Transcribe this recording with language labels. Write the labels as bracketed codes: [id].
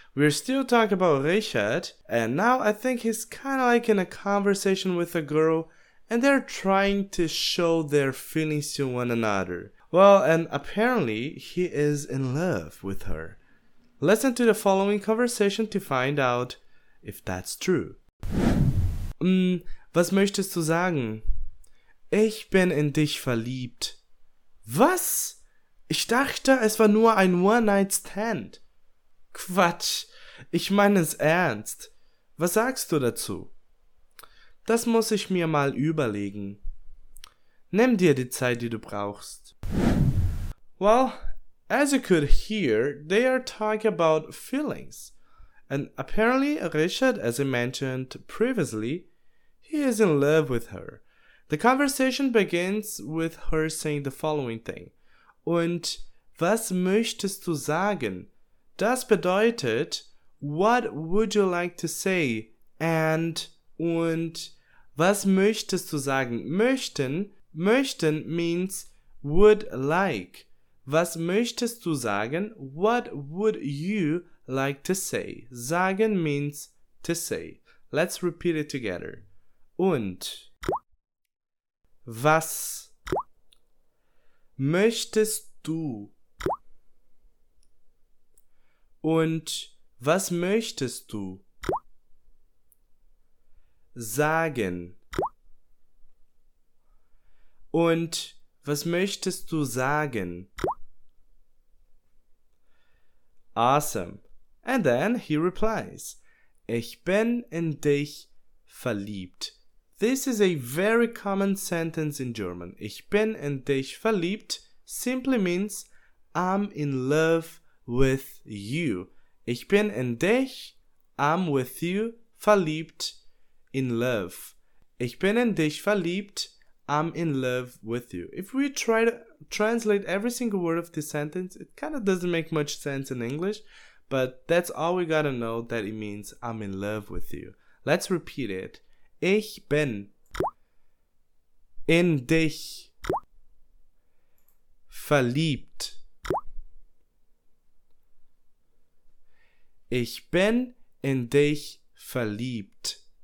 [en] We're still talking about Richard, and now I think he's kinda like in a conversation with a girl, and they're trying to show their feelings to one another. Well, and apparently he is in love with her. Listen to the following conversation to find out if that's true. [de] Was möchtest du sagen? Ich bin in dich verliebt. Was? Ich dachte, es war nur ein One-Night-Stand. Quatsch, ich meine es ernst. Was sagst du dazu? Das muss ich mir mal überlegen. Nimm dir die Zeit, die du brauchst. [en] Well, as you could hear, they are talking about feelings. And apparently, Richard, as I mentioned previously, he is in love with her. The conversation begins with her saying the following thing. [de] Und was möchtest du sagen? Das bedeutet, [en] what would you like to say? [de] Und was möchtest du sagen? [en] Möchten means would like. [de] Was möchtest du sagen? [en] What would you like to say? Sagen means to say. Let's repeat it together. [de] Und was möchtest du? Und was möchtest du sagen? Und was möchtest du sagen? [en] Awesome. And then he replies, [de] ich bin in dich verliebt. [en] This is a very common sentence in German. [de] Ich bin in dich verliebt [en] simply means I'm in love with you. [de] Ich bin in dich, [en] I'm with you, verliebt, in love. [de] Ich bin in dich verliebt, [en] I'm in love with you. If we try to translate every single word of this sentence, it kind of doesn't make much sense in English, but that's all we gotta know, that it means I'm in love with you. Let's repeat it. [de] Ich bin in dich verliebt. Ich bin in dich verliebt.